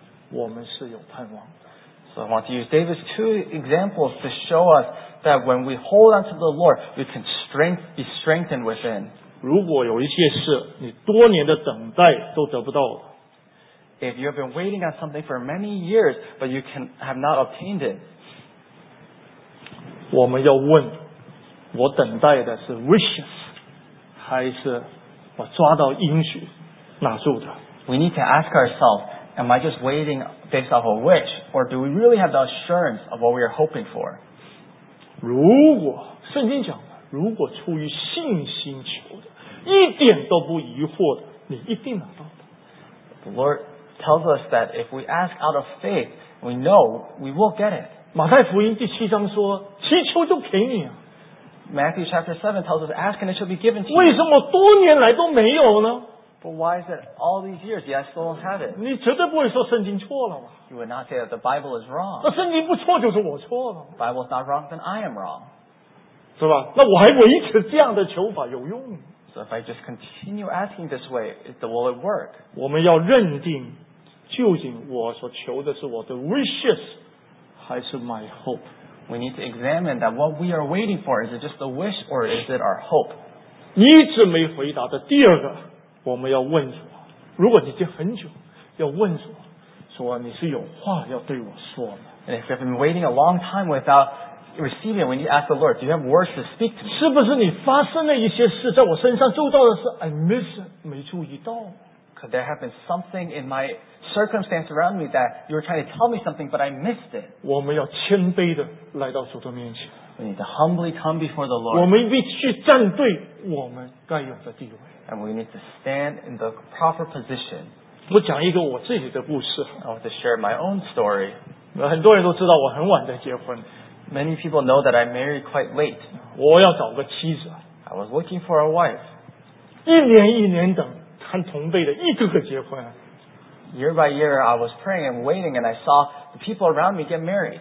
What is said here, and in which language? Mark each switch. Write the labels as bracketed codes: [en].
[zh] 我们是有盼望的。 [en] So I want to use David's two examples to show us that when we hold on to the Lord, we can be strengthened within. [zh] 如果有一些事你多年的等待都得不到了。 [en] If you have been waiting on something for many years, but you have not obtained it. [zh] 我们要问我等待的是 wishes, 还是我抓到应许拿住的。 [en] We need to ask ourselves,Am I just waiting based off a wish? Or do we really have the assurance of what we are hoping for? [zh] 如果圣经讲了，如果出于信心求的，一点都不疑惑的，你一定拿到的。 [en] The Lord tells us that if we ask out of faith, we know we will get it. [zh] 马太福音第七章说，祈求就给你啊。 [en] Matthew chapter 7 tells us, ask and it shall be given to you. [zh] 为什么多年来都没有呢? [en] But why is it all these years, yet I still don't have it? [zh] 你绝对不会说圣经错了吗? [en] You would not say that the Bible is wrong. [zh] 那圣经不错就是我错了吗? [en] The Bible is not wrong, then I am wrong. [zh] 是吧?那我还维持这样的求法有用吗? [en] So if I just continue asking this way, will it work? [zh] 我们要认定 究竟我所求的是我的 wishes 还是 [en] my hope? We need to examine that what we are waiting for, is it just a wish or is it our hope? [zh] 一直没回答的第二个, 我们要问主, 如果你已经很久, 要问主, 说你是有话要对我说吗? [en] And if you've been waiting a long time without receiving, when you ask the Lord, do you have words to speak to me? [zh] 是不是你发生了一些事在我身上做到的事, [en] I miss, [zh] 没注意到? [en] Could there have been something in my circumstance around me that you were trying to tell me something, but I missed it? [zh] 我们要谦卑地来到主的面前。 [en] We need to humbly come before the Lord. [zh] 我们必须站对我们该有的地位。 [en] And we need to stand in the proper position. [zh] 我讲一个我自己的故事。 [en] I want to share my own story. [zh] 很多人都知道我很晚才结婚。 [en] Many people know that I married quite late. [zh] 我要找个妻子。 [en] I was looking for a wife. [zh] 一年一年等看同辈的一个个结婚。 [en] Year by year, I was praying and waiting, and I saw the people around me get married.